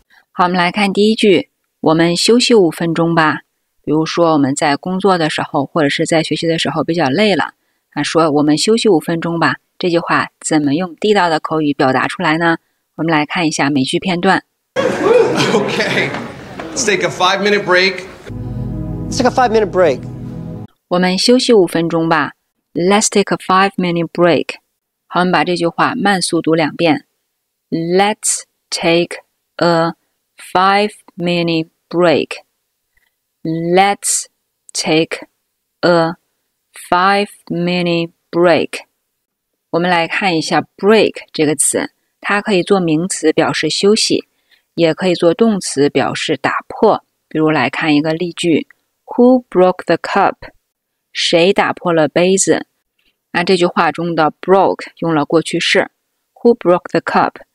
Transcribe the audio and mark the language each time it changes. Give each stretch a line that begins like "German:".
Chinese: 好，我们来看第一句，我们休息五分钟吧。比如说我们在工作的时候或者是在学习的时候比较累了，说我们休息五分钟吧，这句话怎么用地道的口语表达出来呢？我们来看一下美剧片段。
English: Okay, let's take a 5 minute break. Let's take a 5 minute break.
Chinese: 我们休息五分钟吧。
English: Let's take a 5 minute break.
Chinese: 好，我们把这句话慢速读两遍。
English: Let's take a 5 minute break. Let's take a 5 minute break.
Chinese: 我们来看一下 break 这个词，它可以做名词表示休息，也可以做动词表示打破。比如来看一个例句 ，
English: Who broke the cup?
Chinese: 谁打破了杯子？那这句话中的 broke 用了过去式 ，
English: Who broke the cup?